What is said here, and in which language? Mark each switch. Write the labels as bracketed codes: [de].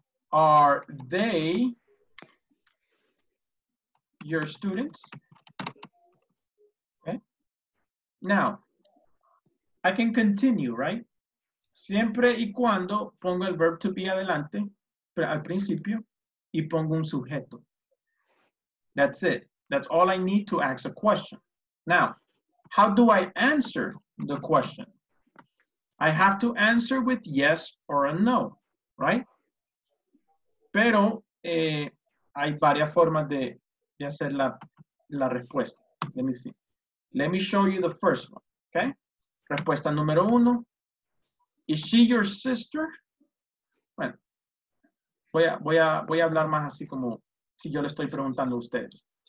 [en] Are they your students? Okay. Now, I can continue, right? [es] Siempre y cuando pongo el [en] verb to be [es] adelante, al principio, y pongo un sujeto. [en] That's it. That's all I need to ask a question. Now, how do I answer the question? I have to answer with yes or a no, right? [es] Pero hay varias formas de hacer la respuesta. [en] Let me see. Let me show you the first one, okay? [es] Respuesta número uno. [en] Is she your sister? [es] Bueno, voy a hablar más así como si yo le estoy preguntando a ustedes.